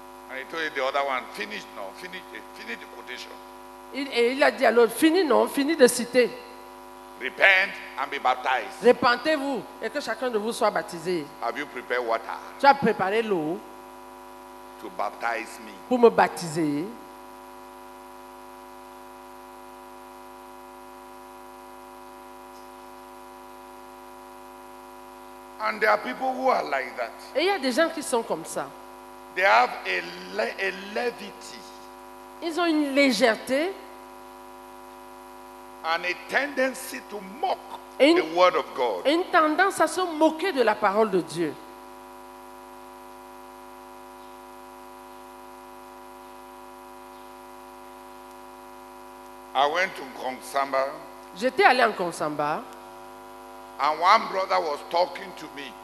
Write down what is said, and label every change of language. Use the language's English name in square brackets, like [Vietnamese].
[English] And he told the other one, finish now, finish the quotation. [French] Il a dit à l'autre, finis non, finis de citer. [English] Repent and be baptized. [French] Repentez-vous et que chacun de vous soit baptisé. [English] Have you prepared water? [French] Tu as préparé l'eau? [English] To baptize me. [French] Pour me baptiser. [English] And there are people who are like that. [French] Et il y a des gens qui sont comme ça. [English] They have a levity. [French] Ils ont une légèreté. [English] And a tendency to mock the word of God. [French] Et une tendance à se moquer de la parole de Dieu. [English] I went to Konsamba. [French] J'étais allé en Konsamba. [English] And one brother was talking to me.